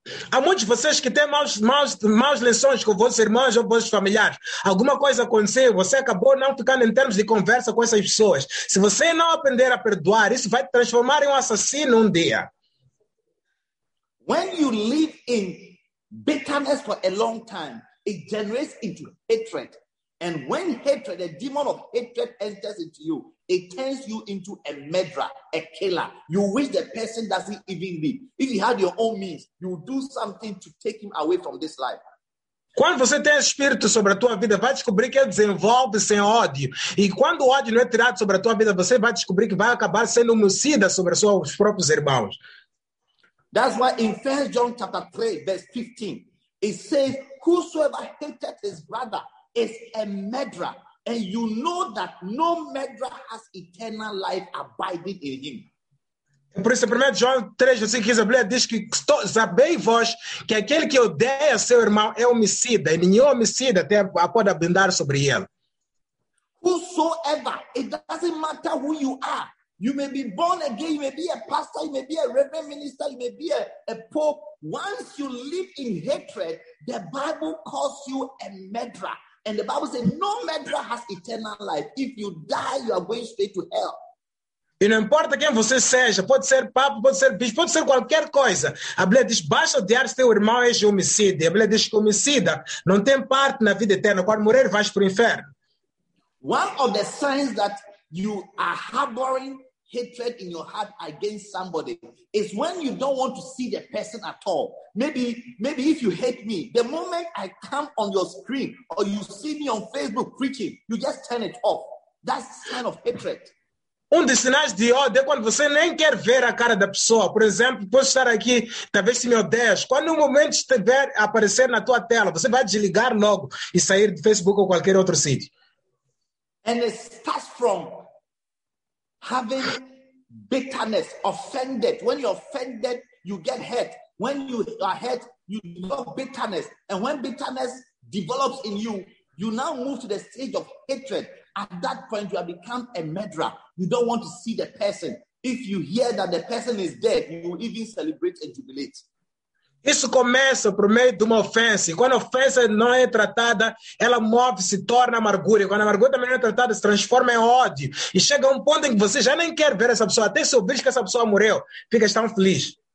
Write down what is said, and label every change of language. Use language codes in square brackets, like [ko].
[pt] Há muitos de vocês que têm maus lições com vossos irmãos ou vossos familiares. Alguma coisa aconteceu, você acabou não ficando em termos de conversa com essas pessoas. Se você não aprender a perdoar, isso vai te transformar em um assassino um dia. [en] When you live in bitterness for a long time, it generates into hatred. And when hatred, the demon of hatred enters into you, it turns you into a murderer, a killer. You wish the person doesn't even live. If you had your own means, you would do something to take him away from this life. [pt] Quando você tem espírito sobre a tua vida, vai descobrir que ele desenvolve sem ódio. E quando o ódio não é tirado sobre a tua vida, você vai descobrir que vai acabar sendo homicida sobre os seus próprios irmãos. [en] That's why in 1 John chapter 3, verse 15, it says, whosoever hated his brother is a murderer. And you know that no murderer has eternal life abiding in him. [pt] Por isso, 1 João 3, versículo 15, a Bíblia diz que sabei vós que aquele que odeia seu irmão é homicida, e nenhum homicida tem a poder abundar sobre ele. [en] Whosoever, it doesn't matter who you are. You may be born again, you may be a pastor, you may be a reverend minister, you may be a pope. Once you live in hatred, the Bible calls you a murderer. And the Bible says no murderer has eternal life. If you die, you are going straight to hell. [pt] E não importa quem você seja, pode ser papo, pode ser bispo, pode ser qualquer coisa. A Bíblia diz, basta odiar seu irmão, és homicida. A Bíblia diz que homicida não tem parte na vida eterna. Quando morrer, vais para o inferno. [en] One of the signs that you are harboring hatred in your heart against somebody is when you don't want to see the person at all. Maybe if you hate me, the moment I come on your screen or you see me on Facebook preaching, you just turn it off. That's a sign of hatred. [pt] Dos sinais de ódio é quando você nem quer ver a cara da pessoa. Por exemplo, posso estar aqui, talvez se me odeias. Quando um momento estiver a aparecer na tua tela, você vai desligar logo e sair do Facebook ou qualquer outro sítio. [en] And it starts from having bitterness, offended. When you're offended, you get hurt. When you are hurt, you develop bitterness. And when bitterness develops in you, you now move to the stage of hatred. At that point, you have become a murderer. You don't want to see the person. If you hear that the person is dead, you will even celebrate and jubilate. [pt] Isso começa por meio de uma ofensa. E quando a ofensa não é tratada, ela move, se torna amargura. E quando a amargura também não é tratada, se transforma em ódio. E chega um ponto em que você já nem quer ver essa pessoa. Até se ouvir que essa pessoa morreu, fica tão feliz.